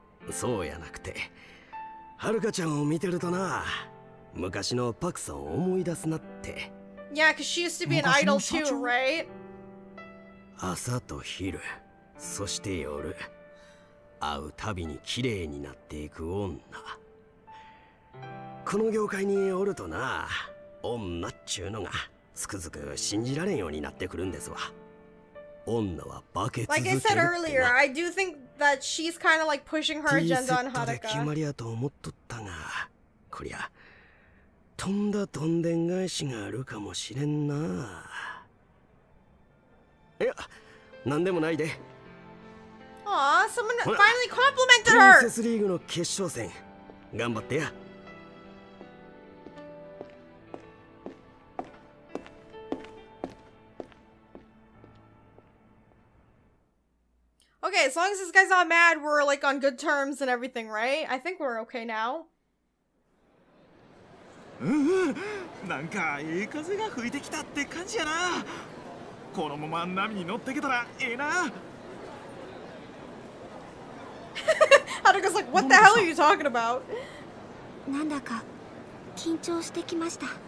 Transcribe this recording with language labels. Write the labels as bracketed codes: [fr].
[ja] そうやなくて、はるかちゃんを見てるとな、昔のパクさんを思い出すなって。 [en] Yeah, because she used to be an idol too, right? [ja] 朝と昼、そして夜、会うたびに綺麗になっていく女。この業界におるとな、女っちゅうのがつくづく信じられんようになってくるんですわ。女は化け続けるってな。 [en] Like I said earlier, I do think that she's kind of like pushing her agenda on Haruka. [ja] T-setで決まりやと思っとったが、こりゃ。とんだとんでん返しがあるかもしれんな。いや、なんでもないで。 [en] あ、someone finally complimented her。プリン [ja] セスリーグの決勝戦、頑張ってや。 [en] Okay, as long as this guy's not mad, we're like on good terms and everything, right? I think we're okay now. [ja] なんかいい風が吹いてきたって感じやな。このまま波に乗ってけたらいいな。 [en] ハルカ like what the hell are you talking about? [ja] なんだか緊張してきました。